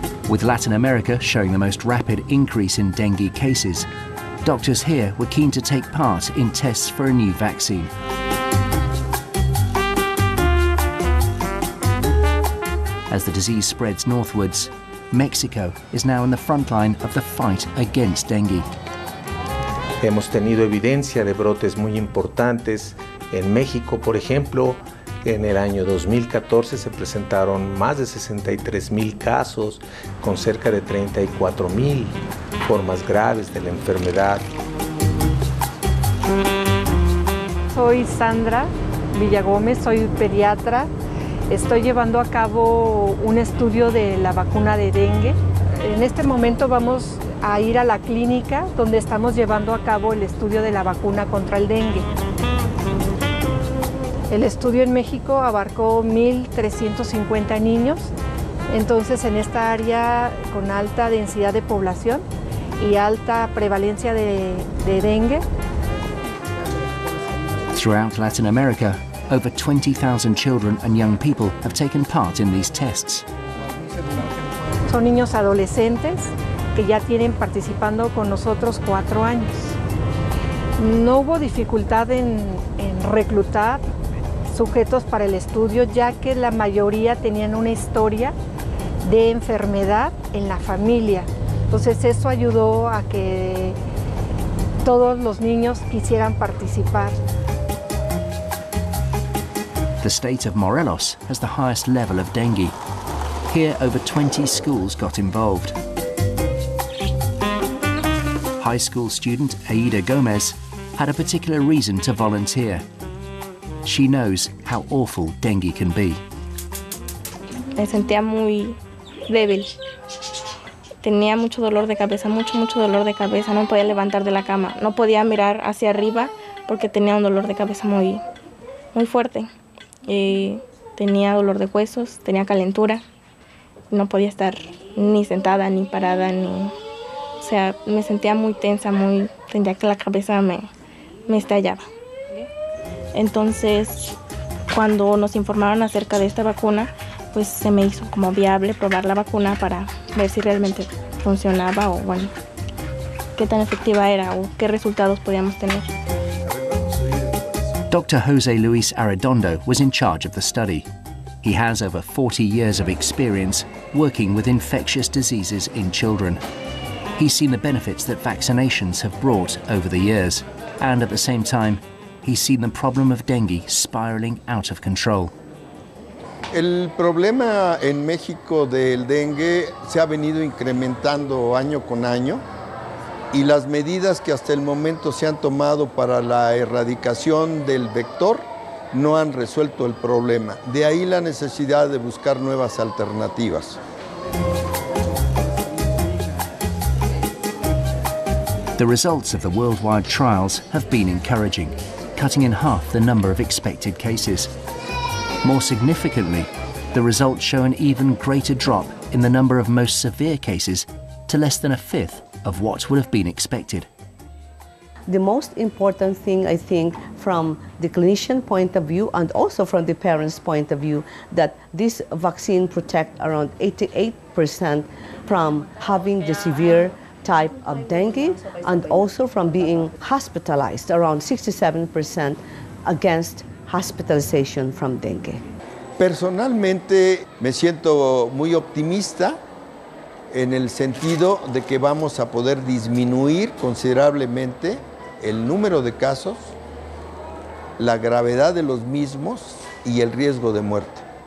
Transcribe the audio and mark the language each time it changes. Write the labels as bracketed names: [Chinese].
[English] With Latin America showing the most rapid increase in dengue cases, doctors here were keen to take part in tests for a new vaccine. As the disease spreads northwards, Mexico is now in the front line of the fight against dengue. [Spanish] Hemos tenido evidencia de brotes muy importantes en México, por ejemplo, En el año 2014 se presentaron más de 63,000 casos con cerca de 34,000 formas graves de la enfermedad. Soy Sandra Villagómez, soy pediatra. Estoy llevando a cabo un estudio de la vacuna de dengue. En este momento vamos a ir a la clínica donde estamos llevando a cabo el estudio de la vacuna contra el dengue. El estudio en México abarcó 1,350 niños, entonces en esta área con alta densidad de población y alta prevalencia de dengue. [English] Throughout Latin America, over 20,000 children and young people have taken part in these tests. [Spanish] Son niños adolescentes que ya tienen participando con nosotros 4 años. No hubo dificultad en reclutar sujetos para el estudio, ya que la mayoría tenían una historia de enfermedad en la familia. Entonces eso ayudó a que todos los niños quisieran participar. [English] The state of Morelos has the highest level of dengue. Here, over 20 schools got involved. High school student Aida Gomez had a particular reason to volunteer. She knows how awful dengue can be. [Spanish] Me sentía muy débil. Tenía mucho dolor de cabeza, mucho dolor de cabeza. No podía levantar de la cama. No podía mirar hacia arriba porque tenía un dolor de cabeza muy fuerte. Y tenía dolor de huesos, tenía calentura. No podía estar ni sentada, ni parada, ni... O sea, me sentía muy tensa, muy... Sentía que la cabeza me estallaba. Entonces, cuando nos informaron acerca de esta vacuna, pues se me hizo como viable probar la vacuna para ver si realmente funcionaba o, bueno, qué tan efectiva era o qué resultados podíamos tener. [English] Dr. José Luis Arredondo was in charge of the study. He has over 40 years of experience working with infectious diseases in children. He's seen the benefits that vaccinations have brought over the years, and at the same time, he's seen the problem of dengue spiraling out of control. [Spanish] El problema en México del dengue se ha venido incrementando año con año, y las medidas que hasta el momento se han tomado para la erradicación del vector no han resuelto el problema. De ahí la necesidad de buscar nuevas alternativas. [English] The results of the worldwide trials have been encouraging, cutting in half the number of expected cases. More significantly, the results show an even greater drop in the number of most severe cases to less than a fifth of what would have been expected. The most important thing, I think, from the clinician point of view and also from the parents' point of view, that this vaccine protects around 88% from having the severe type of dengue and also from being hospitalized, around 67% against hospitalization from dengue. [Spanish] Personalmente, me siento muy optimista en el sentido de que vamos a poder disminuir considerablemente el número de casos, la gravedad de los mismos y el riesgo de muerte.